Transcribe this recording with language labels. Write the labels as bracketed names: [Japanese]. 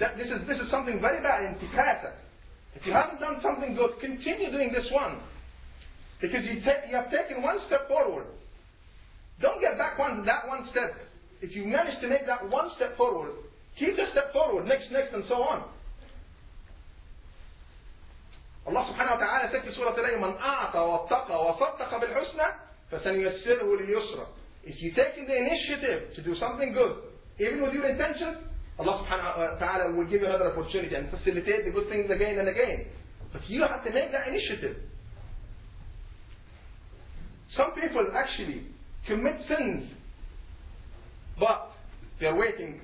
[English] This is something very bad in tikasa. If you haven't done something good, continue doing this one. Because you have taken one step forward. Don't get back that one step. If you manage to make that one step forward, keep the step forward, next, and so on. [Arabic] الله سبحانه وتعالى سكي سورة الأيه من أعطى واتقى وصدق بالحسنى فسنيسره لليسرى. [English] If you take the initiative to do something good, even with your intentions, Allah subhanahu wa ta'ala will give you another opportunity and facilitate the good things again and again. But you have to make that initiative. Some people actually commit sins, but they're waiting.